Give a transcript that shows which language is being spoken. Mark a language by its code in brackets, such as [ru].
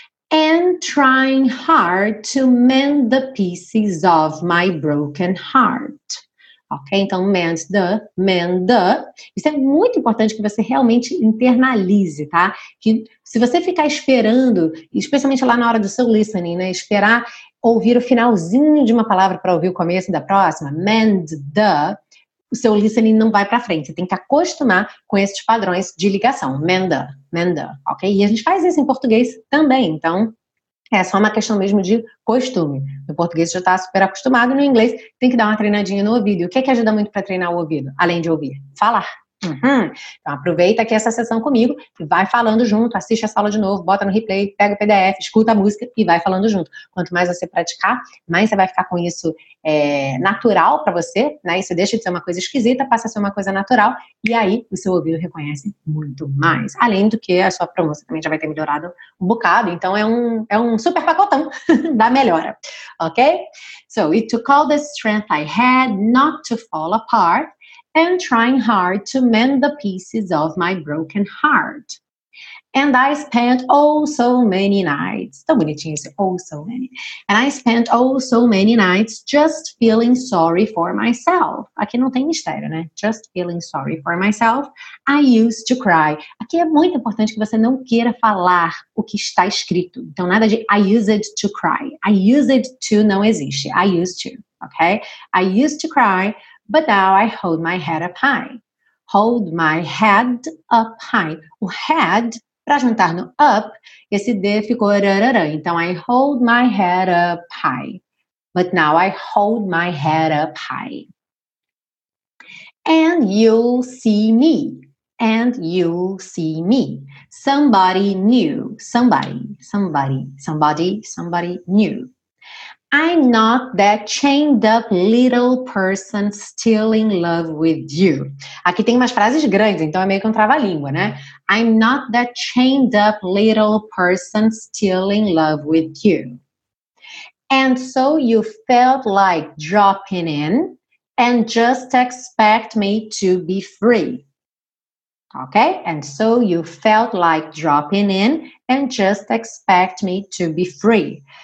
[en] And trying hard to mend the pieces of my broken heart. Ok, então mend the. [pt] Isso é muito importante que você realmente internalize, tá? Que se você ficar esperando, especialmente lá na hora do seu listening, né? Esperar ouvir o finalzinho de uma palavra para ouvir o começo da próxima, [en] mend the, [pt] o seu listening não vai para frente. Você tem que acostumar com esses padrões de ligação. [en] Mend the, [pt] ok? E a gente faz isso em português também, então. É só uma questão mesmo de costume. No português já está super acostumado, no inglês tem que dar uma treinadinha no ouvido. E o que é que ajuda muito para treinar o ouvido? Além de ouvir, falar. Uhum. Então aproveita aqui essa sessão comigo e vai falando junto, assiste a sala de novo, bota no replay, pega o PDF, escuta a música e vai falando junto. Quanto mais você praticar, mais você vai ficar com isso natural para você, né? Isso deixa de ser uma coisa esquisita, passa a ser uma coisa natural e aí o seu ouvido reconhece muito mais. Além do que a sua pronúncia também já vai ter melhorado um bocado, então é um super pacotão da melhora, ok? [en] So, it took all the strength I had not to fall apart. And trying hard to mend the pieces of my broken heart. And I spent oh so many nights. [pt] Tão bonitinho esse [en] oh so many. And I spent oh so many nights just feeling sorry for myself. [pt] Aqui não tem mistério, né? [en] Just feeling sorry for myself. I used to cry. [pt] Aqui é muito importante que você não queira falar o que está escrito. Então nada de [en] I used to cry. [pt] I used to não existe. [en] I used to, okay? I used to cry. But now I hold my head up high. Hold my head up high. [pt] O head, para juntar no up, esse D ficou rarara. [en] Então, I hold my head up high. But now I hold my head up high. And you'll see me. And you'll see me. Somebody new. Somebody, somebody, somebody, somebody new. I'm not that chained up little person still in love with you. [pt] Aqui tem umas frases grandes, então é meio que um trava-língua, né? [en] I'm not that chained up little person still in love with you. And so you felt like dropping in and just expect me to be free. Okay? And so you felt like dropping in and just expect me to be free.